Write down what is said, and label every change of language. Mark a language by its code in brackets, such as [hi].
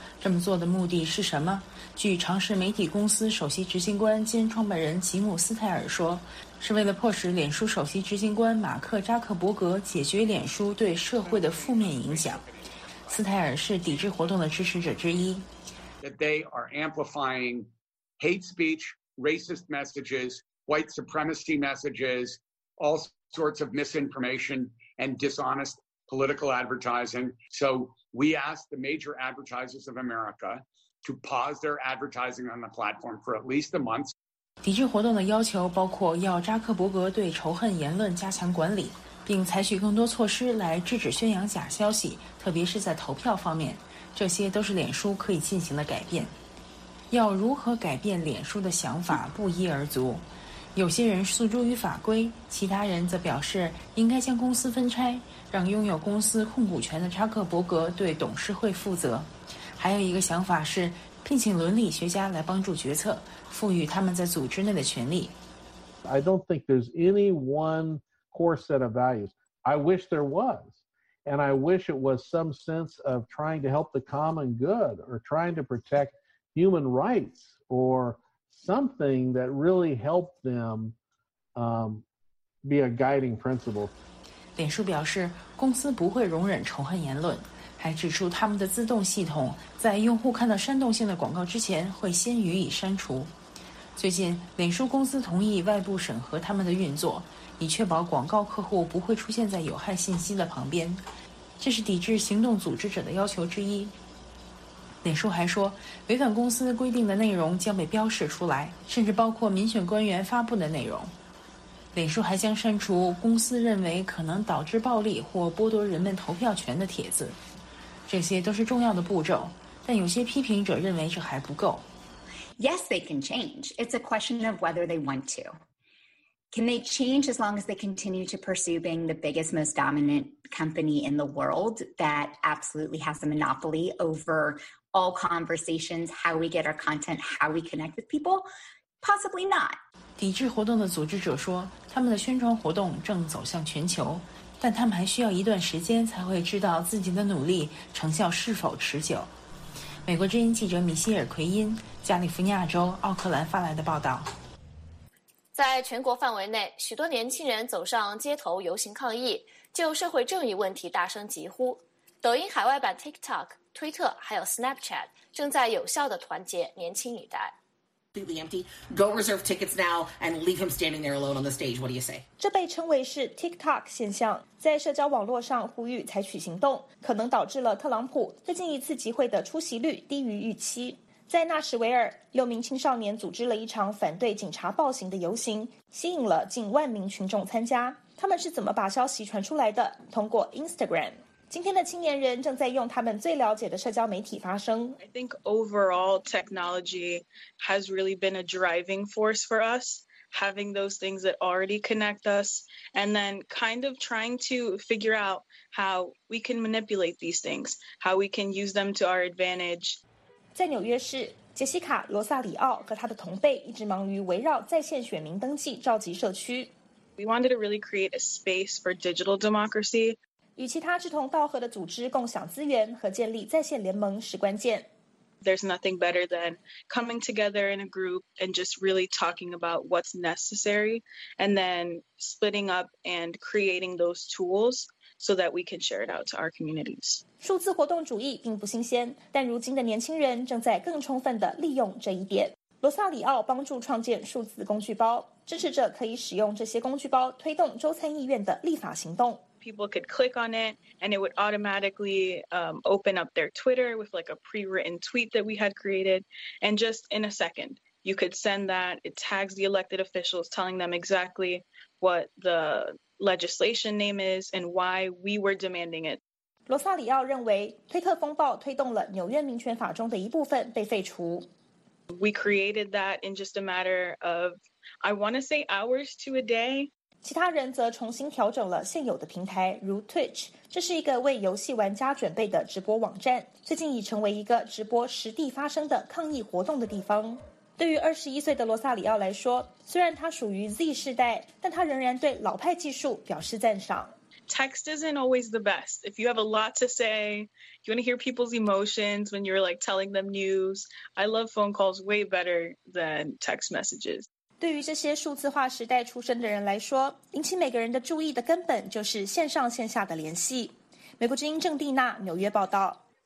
[zh] 这么做的目的是什么？据长视媒体公司首席执行官兼创办人吉姆·斯泰尔说，是为了迫使脸书首席执行官马克扎克伯格解决脸书对社会的负面影响。斯泰尔是抵制活动的支持者之一。 [en] That they are amplifying hate speech, racist messages, white supremacy messages, all sorts of misinformation and dishonest political advertising. So we asked the major advertisers of America to pause their advertising on the platform for at least a month. [zh] 抵制活动的要求包括要扎克伯格对仇恨言论加强管理，并采取更多措施来制止宣扬假消息，特别是在投票方面。这些都是脸书可以进行的改变。要如何改变脸书的想法不一而足，有些人诉诸于法规，其他人则表示应该将公司分拆，让拥有公司控股权的扎克伯格对董事会负责。还有一个想法是聘请伦理学家来帮助决策，赋予他们在组织内的权利。 [en] I don't think there's any one core set of values. I wish there was. And I wish it was some sense of trying to help the common good or trying to protect human rights or something that really helped them be a guiding principle. [zh] 脸书表示公司不会容忍仇恨言论，还指出他们的自动系统在用户看到煽动性的广告之前会先予以删除。最近脸书公司同意外部审核他们的运作，以确保广告客户不会出现在有害信息的旁边，这是抵制行动组织者的要求之一。脸书还说违反公司规定的内容将被标示出来，甚至包括民选官员发布的内容。脸书还将删除公司认为可能导致暴力或剥夺人们投票权的帖子，这些都是重要的步骤，但有些批评者认为这还不够。 [en] Yes, they can change. It's a question of whether they want to. Can they change as long as they continue to pursue being the biggest, most dominant company in the world that absolutely has a monopoly over all conversations, how we get our content, how we connect with people? Possibly not. [zh] 抵制活动的组织者说，他们的宣传活动正走向全球，但他们还需要一段时间才会知道自己的努力成效是否持久。美国之音记者米歇尔·奎因，加利福尼亚州奥克兰发来的报道。在全国范围内，许多年轻人走上街头游行抗议，就社会正义问题大声疾呼。抖音海外版 TikTok、推特还有 Snapchat 正在有效的团结年轻一代。 [en] Go reserve tickets now and leave him standing there alone on the stage. What do you say? [zh] 这被称为是 TikTok 现象，在社交网络上呼吁采取行动，可能导致了特朗普最近一次集会的出席率低于预期。在纳什维尔，六名青少年组织了一场反对警察暴行的游行，吸引了近万名群众参加。他们是怎么把消息传出来的？通过 Instagram。今天的青年人正在用他们最了解的社交媒体发声。 [en] I think overall technology has really been a driving force for us, having those things that already connect us, and then kind of trying to figure out how we can manipulate these things, how we can use them to our advantage. [zh] 在纽约市，杰西卡·罗萨里奥和他的同辈一直忙于围绕在线选民登记召集社区。 [en] We wanted to really create a space for digital democracy. [zh] 与其他志同道合的组织共享资源和建立在线联盟是关键。 [en] There's nothing better than coming together in a group and just really talking about what's necessary and then splitting up and creating those tools so that we can share it out to our communities. [zh] 数字活动主义并不新鲜，但如今的年轻人正在更充分地利用这一点。罗萨里奥帮助创建数字工具包，支持者可以使用这些工具包推动州参议院的立法行动。 [en] People could click on it and it would automatically open up their Twitter with like a pre-written tweet that we had created. And just in a second, you could send that. It tags the elected officials, telling them exactly what the legislation name is and why we were demanding it. [zh] 罗萨里奥认为推特风暴推动了纽约民权法中的一部分被废除。 [en] We created that in just a matter of, I want to say hours to a day. [zh] 其他人则重新调整了现有的平台，如 Twitch， 这是一个为游戏玩家准备的直播网站，最近已成为一个直播实地发生的抗议活动的地方。对于21岁的罗萨里奥来说，虽然他属于 Z 世代，但他仍然对老派技术表示赞赏。 [en] Text isn't always the best. If you have a lot to say, you want to hear people's emotions when you're like telling them news. I love phone calls way better than text messages. [zh] 对于这些数字化时代出生的人来说，引起每个人的注意的根本就是线上线下的联系。美国之音郑蒂娜，纽约报道。